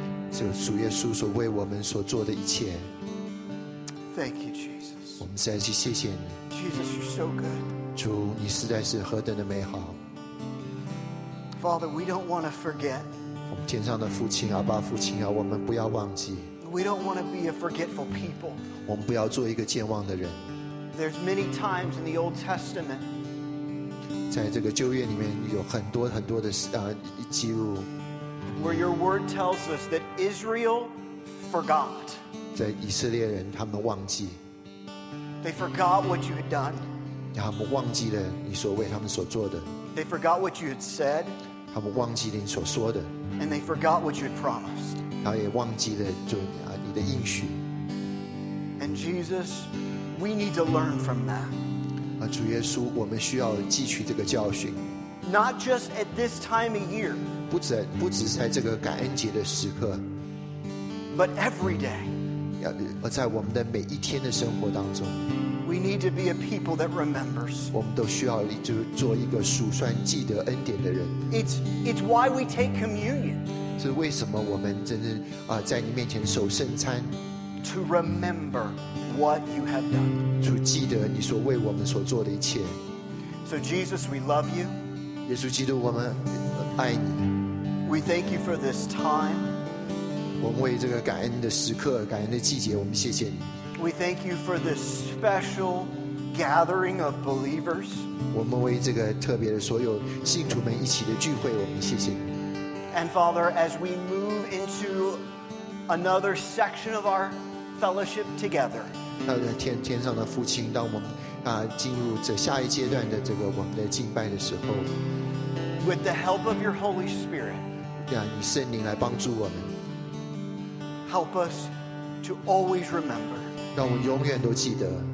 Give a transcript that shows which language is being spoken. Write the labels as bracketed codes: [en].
[zh] 这主耶稣所为我们所做的一切。 [en] Thank you, Jesus. [zh] 我们再次谢谢你。 [en] Jesus, you're so good. [zh] 主，你实在是何等的美好。 [en] Father, we don't want to forget. [zh] 我们天上的父亲啊，阿爸父亲啊，我们不要忘记。 [en] We don't want to be a forgetful people. [zh] 我们不要做一个健忘的人。 [en] There's many times in the Old Testament. [zh] 在这个旧约里面有很多很多的记录。 [en] Where your word tells us that Israel forgot. [zh] 在以色列人他们忘记。 [en] They forgot what you had done. [zh] 他们忘记了你所为他们所做的。 [en] They forgot what you had said. [zh] 他们忘记了你所说的。 [en] And they forgot what you had promised. [zh] 他也忘记了就你的应许。 [en] And Jesus, we need to learn from that. [zh] 主耶稣，我们需要汲取这个教训。 [en] Not just at this time of year. [zh] 不只是在这个感恩节的时刻 [en] but every day [zh] 而在我们的每一天的生活当中 [en] we need to be a people that remembers [zh] 我们都需要做一个数算记得恩典的人 [en] it's why we take communion [zh] 是为什么我们真的在你面前守圣餐 [en] to remember what you have done [zh] 去记得你所为我们所做的一切 [en] so Jesus we love you [zh] 耶稣基督我们爱你 [en] We thank you for this time. [zh] 我们为这个感恩的时刻，感恩的季节，我们谢谢你。 [en] We thank you for this special gathering of believers. [zh] 我们为这个特别的所有信徒们一起的聚会，我们谢谢你。 [en] And Father, as we move into another section of our fellowship together. [zh] 天上的父亲，当我们进入这下一阶段的这个我们的敬拜的时候。 [en] With the help of your Holy Spirit. [zh] 以圣灵来帮助我们。 [en] Help us to always remember. [zh] 让我们永远都记得。